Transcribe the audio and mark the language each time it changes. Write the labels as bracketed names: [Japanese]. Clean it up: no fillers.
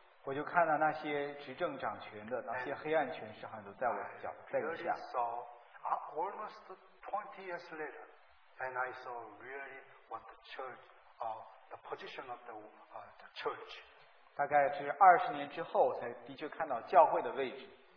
[Chinese] 我就看到那些执政掌权的, 那些黑暗权势好像都在我脚, [English] I really saw almost 20 years later, and I saw really what the church, the position of the church. [Chinese] 大概是20年之后, 才的确看到教会的位置。